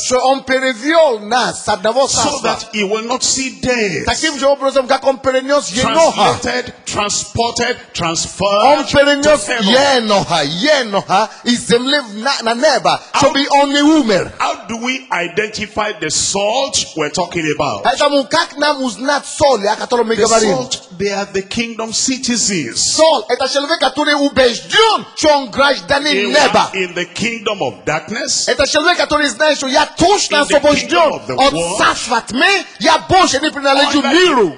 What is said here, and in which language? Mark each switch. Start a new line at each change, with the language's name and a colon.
Russian: Что он перевел нас с одного царства.
English: So that he will not see death.
Russian: Таким же образом, как он перенес Еноха.
English: Translated, transported, transferred.
Russian: Он перенес Еноха, Еноха из земли на небо, чтобы он не умер.
English: How do we identify the salt we're talking about?
Russian: Поэтому как нам узнать соль, о котором мы говорим?
English: The salt, they are the kingdom citizens.
Russian: Соль, это человек, который убежден, что он гражданин неба.
English: In the kingdom of darkness.
Russian: Это человек, который знает, что я точно освобожден от царства тьмы, я больше не принадлежу миру.